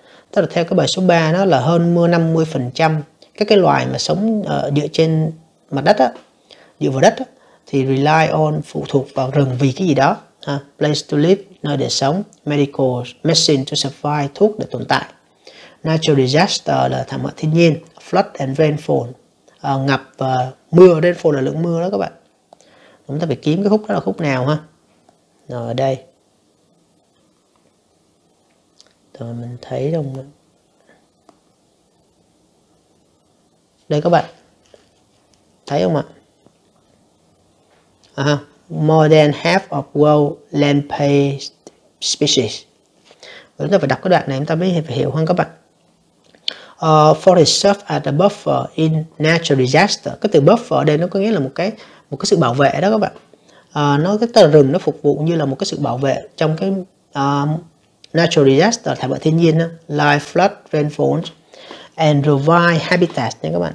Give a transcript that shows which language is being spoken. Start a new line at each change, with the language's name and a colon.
Vietnamese: Tức là theo cái bài số 3 đó là hơn 50% các cái loài mà sống dựa trên mặt đất á, dựa vào đất á, thì
English: rely on,
Vietnamese: phụ thuộc vào rừng vì cái gì đó ha,
English: place to live,
Vietnamese: nơi để sống, medical,
English: medicine to survive,
Vietnamese: thuốc để tồn tại, natural disaster là thảm họa thiên nhiên,
English: flood and rainfall,
Vietnamese: ngập và mưa, rainfall là lượng mưa đó các bạn. Chúng ta phải kiếm cái khúc đó là khúc nào ha. Ở đây rồi mình thấy đồng đây các bạn thấy không ạ,
English: More than half of world land based species.
Vietnamese: Chúng ta phải đọc cái đoạn này chúng ta mới phải hiểu hơn các bạn.
English: Forest serve as a buffer in natural disaster.
Vietnamese: Cái từ buffer ở đây nó có nghĩa là một cái sự bảo vệ đó các bạn. Nó cái tờ rừng nó phục vụ như là một cái sự bảo vệ trong cái
English: natural disaster,
Vietnamese: thảm họa thiên nhiên,
English: like flood, rainfall, and provide habitat
Vietnamese: nha các bạn.